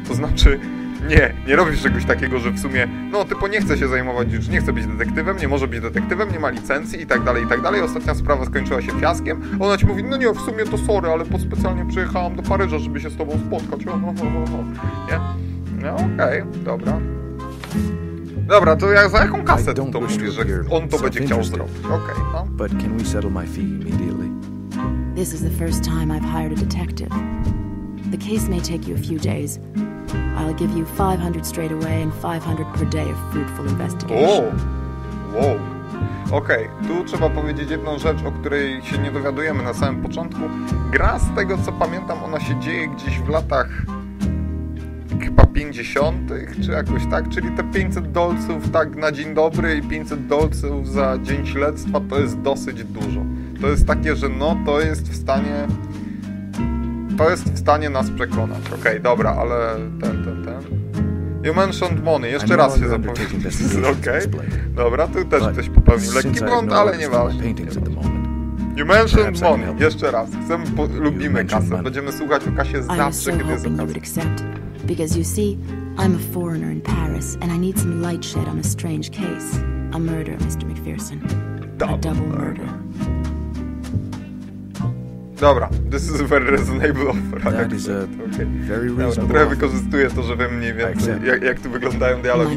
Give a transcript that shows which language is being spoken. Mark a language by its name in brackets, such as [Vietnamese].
[Polish] To znaczy, nie robisz czegoś takiego, że w sumie, no typu nie chce się zajmować, już nie chce być detektywem, nie może być detektywem, nie ma licencji i tak dalej, ostatnia sprawa skończyła się fiaskiem, ona ci mówi, no nie, w sumie to sorry, ale specjalnie przyjechałam do Paryża, żeby się z tobą spotkać, nie? No okej, dobra. Dobra, to jak za jaką kasę to mówisz, że on to będzie chciał zrobić? Okej, no. [English] But can we settle my fee immediately? This is the first time I've hired a detective. The case may take you a few days. I'll give you 500 straight away and 500 per day of fruitful investigation. Oh. Wow. Okej, okay. [Polish] Tu trzeba powiedzieć jedną rzecz, o której się nie dowiadujemy na samym początku. Gra, z tego co pamiętam, ona się dzieje gdzieś w latach chyba 50. czy jakoś tak, czyli te 500 dolców tak na dzień dobry i 500 dolców za dzień śledztwa to jest dosyć dużo. To jest takie, że no to jest w stanie... To jest w stanie nas przekonać. Okej, dobra, ale ten. [English] You mentioned money. [Polish] Jeszcze raz się zapowiedzi. Okej. Dobra, tu też ktoś popełnił lekki błąd, ale nieważne. [English] You mentioned money. [Polish] Jeszcze raz. Lubimy kasę. Będziemy słuchać o kasie zawsze, kiedy jest okazja. [English] Because you see, I'm a foreigner in Paris and I need some light shed on a strange case. A murder, Mr. McPherson. Double murder. Dobra, this is a very reasonable offer. That is a very reasonable offer. [Polish] Trochę wykorzystuję to, że wiem mniej więcej, jak tu wyglądają dialogi.